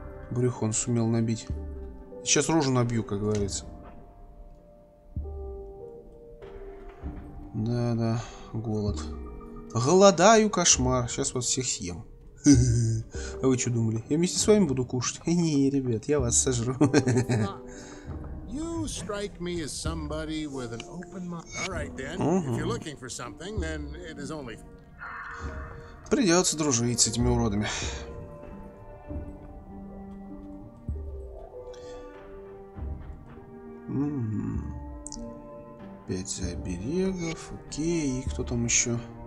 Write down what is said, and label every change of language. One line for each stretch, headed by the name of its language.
Russian: Брюхо он сумел набить. Сейчас рожу набью, как говорится. Да-да, голод. Голодаю, кошмар. Сейчас вас всех съем. А вы что думали? Я вместе с вами буду кушать? Не, ребят, я вас сожру.
English: You strike me as somebody with an open mind. All right, then. If you're looking for something, then it is only...
Russian: Придется дружить с этими уродами. Пять оберегов, окей, и кто там еще?